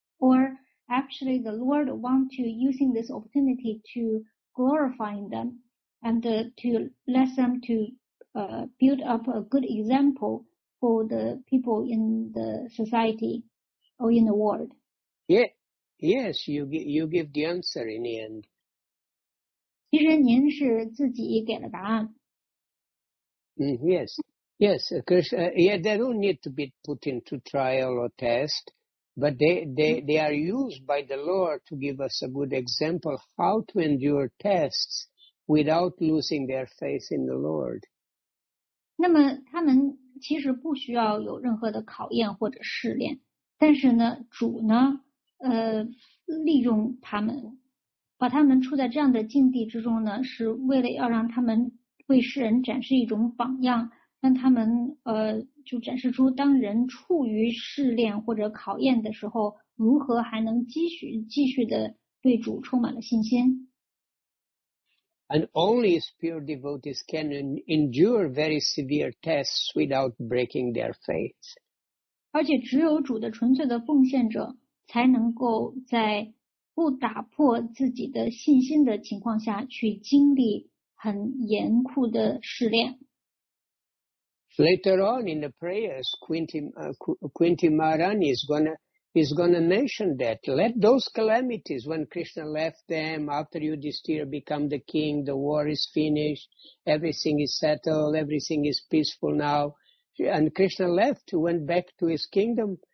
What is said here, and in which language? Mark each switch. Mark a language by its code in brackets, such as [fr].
[en] Or actually the Lord want to using this opportunity to glorify them and to let them to build up a good example for the people in the society or in the world? Yeah. Yes, you give the answer in the end. [zh] 其实您是自己给了答案。 [en] Yes, yes, because, yeah, they don't need to be put into trial or test, but they are used by the Lord to give us a good example how to endure tests without losing their faith in the Lord. [zh] 那么他们其实不需要有任何的考验或者试炼，但是呢，主呢，利用他们，把他们处在这样的境地之中呢，是为了要让他们为世人展示一种榜样，让他们就展示出当人处于试炼或者考验的时候，如何还能继续的对主充满了信心。 [en] And only pure devotees can endure very severe tests without breaking their faith. [zh] 而且只有主的纯粹的奉献者才能够在不打破自己的信心的情况下去经历很严酷的试炼。 [en] Later on in the prayers, Quinti Maharani is gonna mention that. Let those calamities, when Krishna left them, after Yudhisthira become the king, the war is finished, everything is settled, everything is peaceful now, and Krishna left, went back to his kingdom.